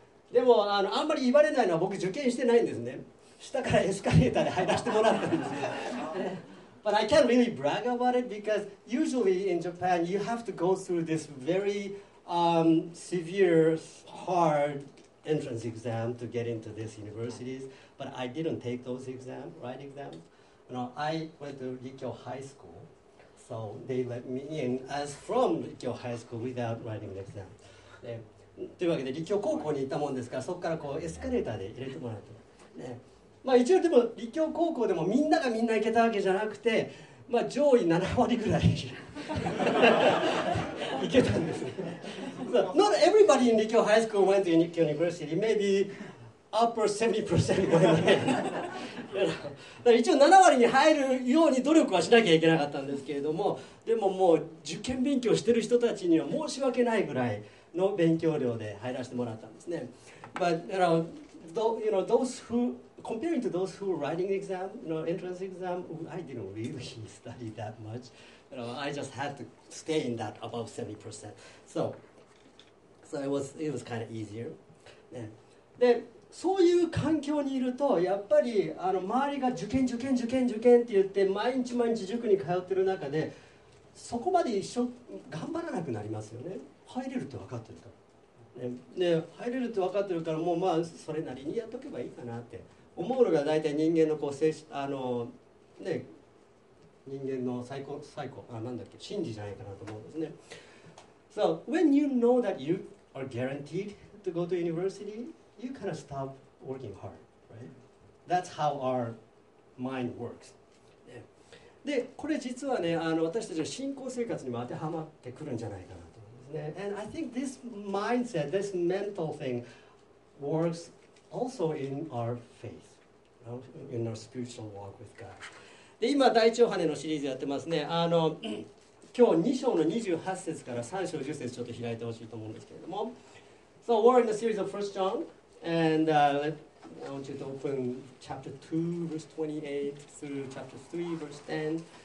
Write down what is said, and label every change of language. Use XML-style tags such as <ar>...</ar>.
<ja>でも、あんまり言われないのは僕受験してないんですね。下からエスカレーターで入らせてもらったんですよ。</ja> <en>But I can't really brag about it because usually in Japan, you have to go through this very severe, hard entrance exam to get into these universities. But I didn't take those exams, write exams. You know, I went to Rikyo High School, so they let me in as from Rikyo High School without writing an exam.</en> <ja>というわけで、立教高校に行ったもんですから、そこからこうエスカレーターで入れてもらって、ね、まあ一応でも立教高校でもみんながみんな行けたわけじゃなくて、まあ上位7割ぐらい行けたんですね。</ja> <en>Not everybody in 立教 High School went to 立教 University. Maybe upper 70% went in.</en> <ja>だから一応7割に入るように努力はしなきゃいけなかったんですけれども、でももう受験勉強してる人たちには申し訳ないぐらいの勉強量で入らせてもらったんですね。</ja> <en>But you know, you know, those who comparing to those who were writing exam, you know, entrance exam, I didn't really study that much. You know, I just had to stay in that above 70%. So it was kind of easier.</en> <ja>でそういう環境にいるとやっぱり周りが受験受験受験受験って言って毎日毎日塾に通ってる中でそこまで一生頑張らなくなりますよね。入れるって分かってるから、ね、で入れるって分かってるからもうまあそれなりにやっとけばいいかなって思うのが大体人間のこう精神ね、人間の最高あ、なんだっけ、真理じゃないかなと思うんですね。</ja> <en>So when you know that you are guaranteed to go to universityou kind of stop working hard, right? That's how our mind works.、</en> <ja>ね、で、これ実はね、私たちの信仰生活にも当てはまってくるんじゃないかなと思うんですね。</ja> <en>And I think this mindset, this mental thing works also in our faith, you know, in our spiritual walk with God.</en> <ja>で、今、第一ヨハネのシリーズやってますね。今日2章の28節から3章10節ちょっと開いてほしいと思うんですけれども。</ja> <en>So we're in the series of 1 John. And I want you to open chapter 2, verse 28 through chapter 3, verse 10.</en>